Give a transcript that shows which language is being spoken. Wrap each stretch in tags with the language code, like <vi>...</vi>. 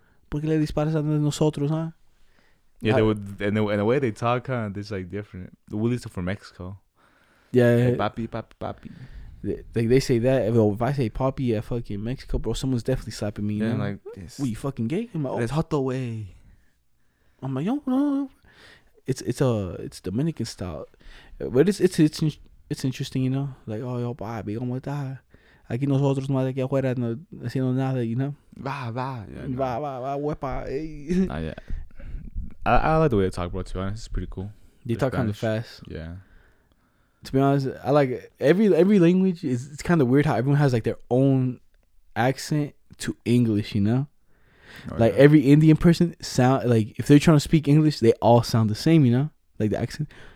<es>¿Por qué le disparas a nosotros, huh?</es> <en>Yeah, in the way they talk, kind of, it's like different. The Willys are from Mexico. Yeah. Hey, papi. They say that. If I say papi, yeah, fucking Mexico, bro, someone's definitely slapping me. Yeah, you know? Like this. What, you fucking gay? I'm like, oh. It's hot the way. I'm like, no. It's Dominican style. But it's interesting, you know?</en> <es>Like, oh, yo, papi, ¿cómo está? Aquí nosotros más de aquí afuera no haciendo nada, you know? Va, huepa, ey.</es> <en>Not yet. I like the way they talk, bro, too. Honestly, it's pretty cool. They talk kind of fast. Yeah. To be honest, I like it. Every language is, it's kind of weird how everyone has like their own accent to English, you know? Every Indian person sound like, if they're trying to speak English, they all sound the same, you know? Like the accent.</en>